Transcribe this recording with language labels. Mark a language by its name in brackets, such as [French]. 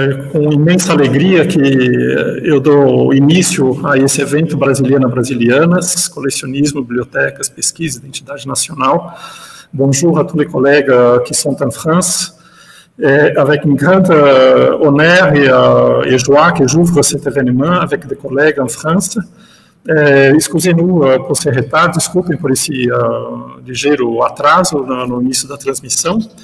[Portuguese] Com imensa alegria que eu dou início a esse evento Brasilianas, Colecionismo, Bibliotecas, Pesquisa, Identidade Nacional. [French] Bonjour à tous les collègues qui sont en France. Avec une grande honneur et joie que j'ouvre cet événement avec des collègues en France. Excusez-nous pour ce retard, [Portuguese] desculpem por esse ligeiro atraso no início da transmissão.